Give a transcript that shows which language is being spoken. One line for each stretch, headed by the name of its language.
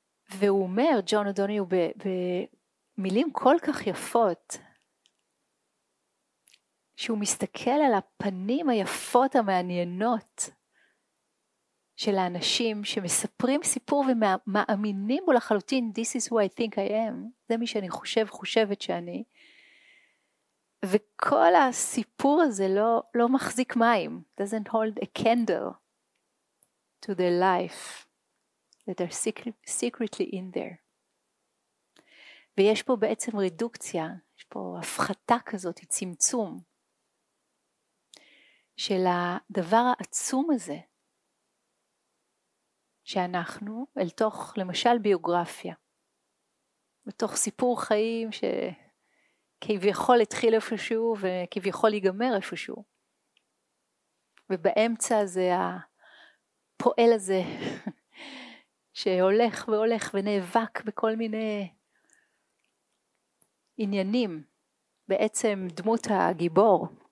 Hebrew: והוא אומר, ג'ון אדוני, הוא במילים כל כך יפות, שהוא מסתכל על הפנים היפות המעניינות של האנשים שמספרים סיפור ומאמינים בו לחלוטין,
English: this is who I think I am,
Hebrew: זה מי שאני חושבת שאני, וכל הסיפור הזה לא מחזיק מים,
English: doesn't hold a candle to their life. that are secretly in there.
Hebrew: ויש פה בעצם רדוקציה, יש פה הפחתה כזאת, צמצום, של הדבר העצום הזה, שאנחנו, אל תוך למשל ביוגרפיה, בתוך סיפור חיים, שכביכול התחיל איפשהו, וכביכול ייגמר איפשהו, ובאמצע זה הפועל הזה, שהולך והולך ונאבק בכל מיני עניינים, בעצם דמות הגיבור.